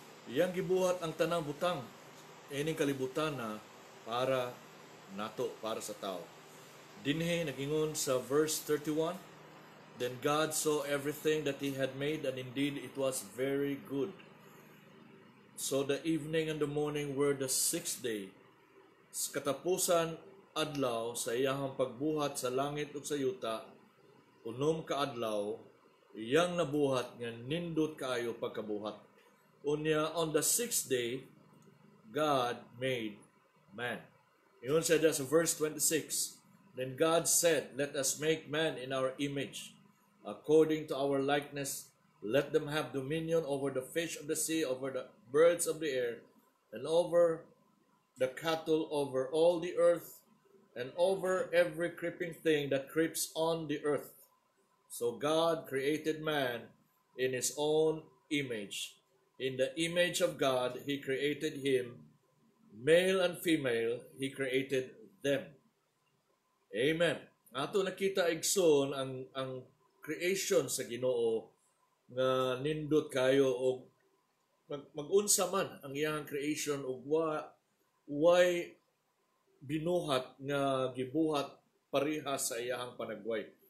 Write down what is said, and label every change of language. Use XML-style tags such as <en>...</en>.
<ceb>Iyang gibuhat ang tanang butang, ining kalibutan na para nato, para sa tao. Dinhi, nagingon sa</ceb> <en>verse 31, then God saw everything that He had made, and indeed it was very good. So the evening and the morning were the sixth day.</en> <ceb>Sa katapusan adlaw sa iyang pagbuhat sa langit ug sa yuta, unom kaadlaw, iyang nabuhat nga nindot kaayo pagkabuhat.</ceb> <en>Unya, on the sixth day, God made man.</en> <ceb>Iyon sa</ceb> <en>verse 26, then God said, let us make man in our image, according to our likeness, let them have dominion over the fish of the sea, over the birds of the air, and over the cattle, over all the earth, and over every creeping thing that creeps on the earth. So God created man in His own image. In the image of God, He created him. Male and female, He created them. Amen.</en> <ceb>Ato nakita igsoon ang creation sa Ginoo nga nindot kayo og mag-unsa man ang iyang creation og why binuhat nga gibuhat pareha sa iyang panagway.</ceb>